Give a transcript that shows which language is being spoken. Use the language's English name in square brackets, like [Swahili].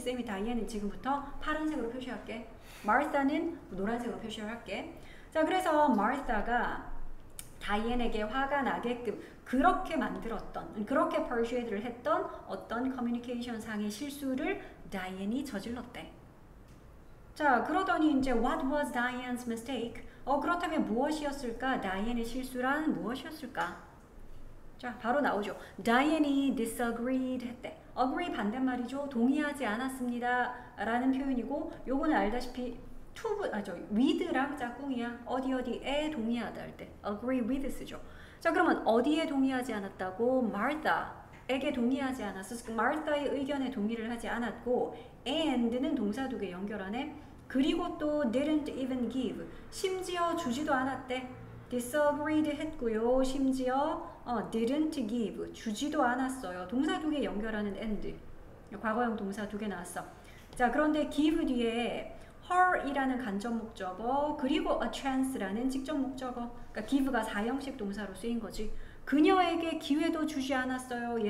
[Korean] 쌤이 Diane은 지금부터 파란색으로 표시할게. Martha는 노란색으로 표시할게. 자, 그래서 Martha가 다이앤에게 화가 나게끔 그렇게 만들었던, 그렇게 퍼슈에이드를 했던 어떤 커뮤니케이션 상의 실수를 다이앤이 저질렀대. 자, 그러더니 이제 [English] What was Diane's mistake? [Korean] 그렇다면 무엇이었을까? 다이앤의 실수란 무엇이었을까? 자, 바로 나오죠. 다이앤이 disagreed 했대. agree 반대말이죠. 동의하지 않았습니다라는 표현이고, 요거는 알다시피 with랑 짝꿍이야. 어디 어디에 동의하다 할 때, [English] agree with [Korean] 쓰죠. 자, 그러면 어디에 동의하지 않았다고? Martha에게 동의하지 않았어. Martha의 의견에 동의를 하지 않았고, and는 동사 두개 연결하네. 그리고 또 [English] didn't even give. [Korean] 심지어 주지도 않았대. disagreed 했고요. 심지어 [English] didn't give. [Korean] 주지도 않았어요. 동사 두개 연결하는 and. 과거형 동사 두개 나왔어. 자, 그런데 give 뒤에 her이라는 간접 목적어, 그리고 a chance라는 직접 목적어. 그러니까 give가 사형식 동사로 쓰인 거지. 그녀에게 기회도 주지 않았어요.